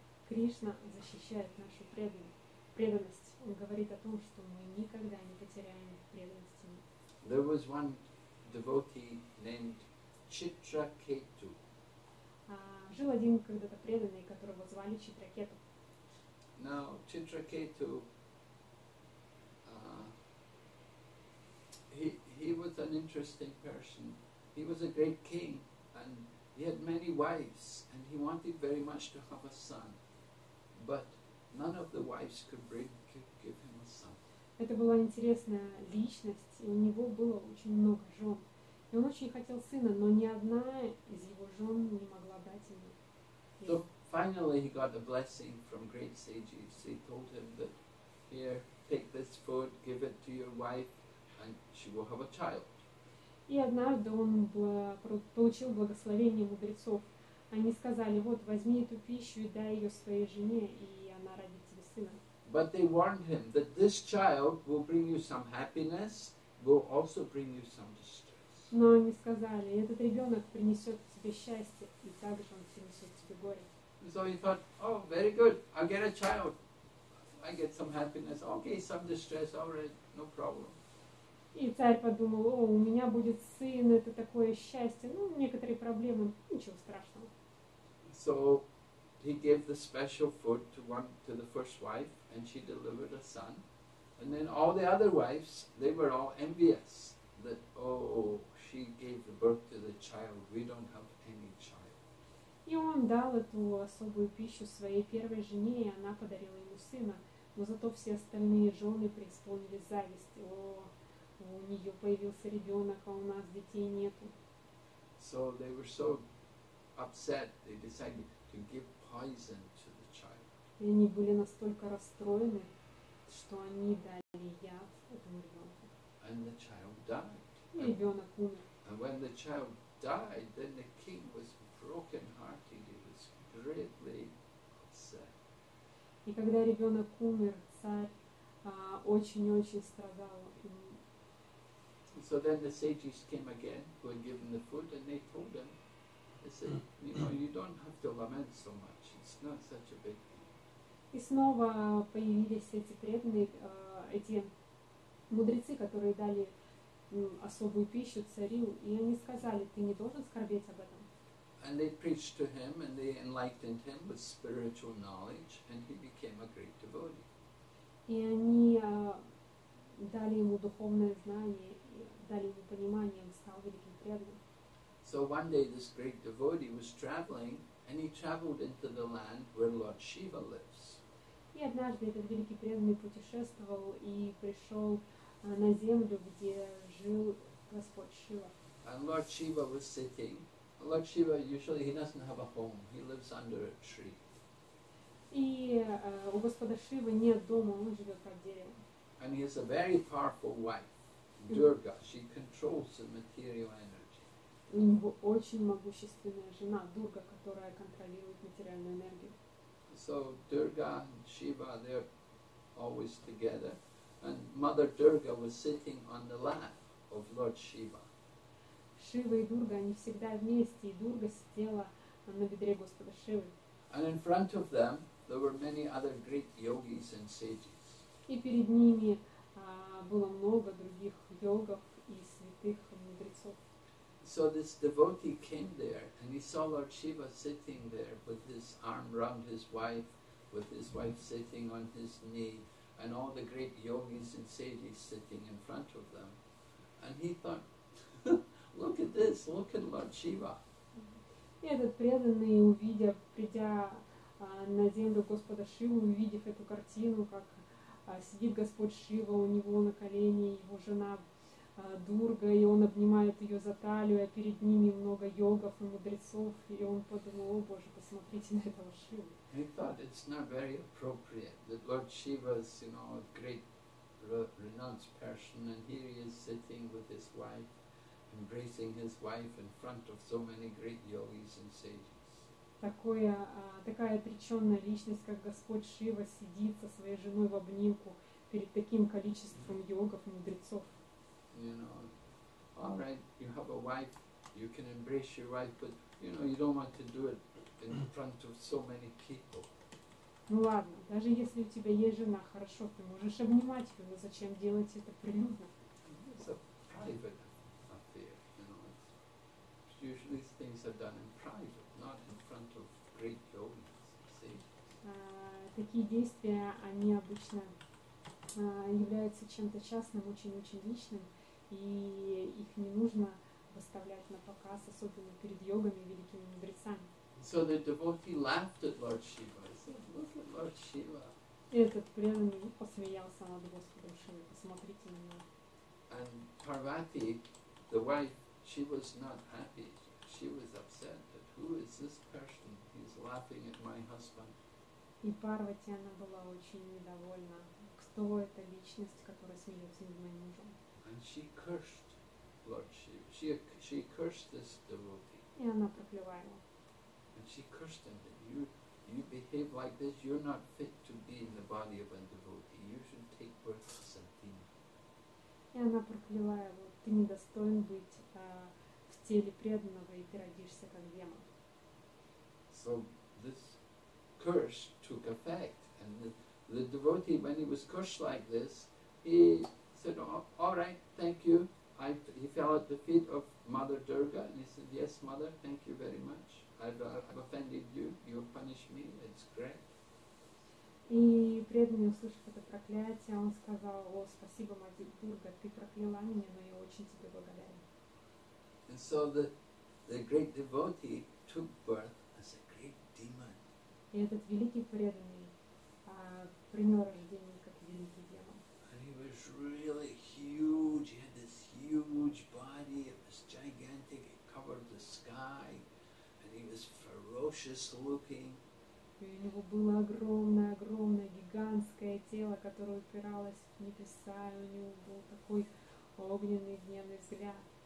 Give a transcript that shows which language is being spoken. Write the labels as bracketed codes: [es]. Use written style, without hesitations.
[ru] Кришна защищает нашу преданность. Он говорит о том, что мы никогда не потеряем преданности. [en] There was one devotee named Chitraketu. [ru] Жил один когда-то преданный, которого звали Читракету. [en] Now, Chitraketu, he was an interesting person. He was a great king, and he had many wives, and he wanted very much to have a son, but none of the wives could give him a son. [ru] Это была интересная личность, и у него было очень много жен, и он очень хотел сына, но ни одна из его жен не могла дать ему. [en] So finally, he got a blessing from great sages. They told him that here. Take this food, give it to your wife, and she will have a child. [ru] И однажды он получил благословение мудрецов. Они сказали: вот, возьми эту пищу и дай ее своей жене, и она родит тебе сына. [en] But they warned him that this child will bring you some happiness, will also bring you some distress. [ru] Но они сказали, этот ребенок принесет тебе счастье, и также он принесет тебе горе. [en] So he thought, oh, very good, I get a child, I get some happiness, okay, some distress, all right, no problem. [ru] И царь подумал, о, у меня будет сын, это такое счастье, ну, некоторые проблемы, ничего страшного. [en] So he gave the special food to one, to the first wife, and she delivered a son. And then all the other wives, they were all envious that, oh, she gave the birth to the child, we don't have any child. [ru] И он дал эту особую пищу своей первой жене, и она подарила ему сына. Но зато все остальные жены преисполнились зависти. О, у нее появился ребенок, а у нас детей нету. [en] So they were so upset, they decided to give poison to the child. [ru] И они были настолько расстроены, что они дали яд этому ребенку. [en] And the child died. [ru] И ребенок умер. [en] And when the child died, then the king was broken hearted. He was greatly upset. [ru] И когда ребенок умер, царь очень-очень страдал. [en] So then the sages came again, who had given the food, and they told him, they said, you know, you don't have to lament so much. It's not such a big thing. [ru] И снова появились эти преданные, эти мудрецы, которые дали особую пищу царю, и они сказали, ты не должен скорбеть об этом. [en] And they preached to him, and they enlightened him with spiritual knowledge, and he became a great devotee. [ru] И они дали ему духовное знание, дали ему понимание, он стал великим преданным. [en] So one day this great devotee was traveling, and he traveled into the land where Lord Shiva lives. [ru] И однажды этот великий преданный путешествовал и пришел на землю, где жил Господь Шива. [en] And Lord Shiva was sitting. Lord Shiva usually he doesn't have a home. He lives under a tree. [ru] И у Господа Шивы нет дома, он живет под деревом. [en] And he has a very powerful wife, Durga. She controls the material energy. [ru] У него очень могущественная жена Дурга, которая контролирует материальную энергию. [en] So Durga and Shiva, they're always together. And Mother Durga was sitting on the lap of Lord Shiva. [ru] Shiva и Durga, они всегда вместе, и Durga сидела на бедре Господа Шивы. [en] And in front of them, there were many other great yogis and sages. [ru] И перед ними было много других йогов и святых мудрецов. [en] So this devotee came there, and he saw Lord Shiva sitting there with his arm round his wife, with his wife sitting on his knee, and all the great yogis and sages sitting in front of them. And he thought, look at this, look at Lord Shiva. [ru] И этот преданный, увидев, придя на землю Господа Шиву, увидев эту картину, как сидит Господь Шива у него на колени, его жена Дурга, и он обнимает ее за талию, а перед ними много йогов и мудрецов, и он подумал, о Боже, посмотрите на этого Шиву. [en] He thought it's not very appropriate that Lord Shiva is, you know, a great renounced person, and here he is sitting with his wife, embracing his wife in front of so many great yogis and sages. [ru] Такая отреченная личность, как Господь Шива, сидит со своей женой в обнимку перед таким количеством йогов и мудрецов. [en] You know, all right, you have a wife, you can embrace your wife, but, you know, you don't want to do it in front of so many people. [ru] Ну ладно, даже если у тебя есть жена, хорошо, ты можешь обнимать ее, но зачем делать это прилюдно? [en] It's a private affair, you know. It's usually things are done in private, not in front of great yogis, see? [ru] Такие действия, они обычно являются чем-то частным, очень-очень личным. И их не нужно выставлять на показ, особенно перед йогами и великими мудрецами. [en] So the devotee laughed at Lord Shiva. He said, look at Lord Shiva. [ru] И этот преданный посмеялся над Господом Шивой. Посмотрите на него. [en] And Parvati, the wife, she was not happy. She was upset that who is this person? He's laughing at my husband. [ru] И Парвати, она была очень недовольна. Кто эта личность, которая смеется над моим мужем? [en] And she cursed Lord Shiva. She cursed this devotee. [ru] И она проклевала. [en] And she cursed him that you you behave like this, you're not fit to be in the body of a devotee. You should take birth to something. [ru] И она прокляла его. Ты недостоин быть в теле преданного, и ты родишься как демон. [en] So this curse took effect, and the devotee, when he was cursed like this, he said, oh, "All right, thank you." He fell at the feet of Mother Durga, and he said, "Yes, Mother, thank you very much. I've offended you. You punish me. It's great." [ru] И преданный, услышав это проклятие, он сказал: "О, спасибо, Мать Дурга, ты прокляла меня, но я очень тебе благодарен." [en] And so the great devotee took birth as a great demon. [ru] И этот великий преданный принял рождение как великий демон. [en] And he was really huge. He had this huge body. It was gigantic. It covered the sky, and he was ferocious looking. [ru] И у него было огромное, гигантское тело, которое упиралось в небеса, и у него был такой огненный, гневный взгляд.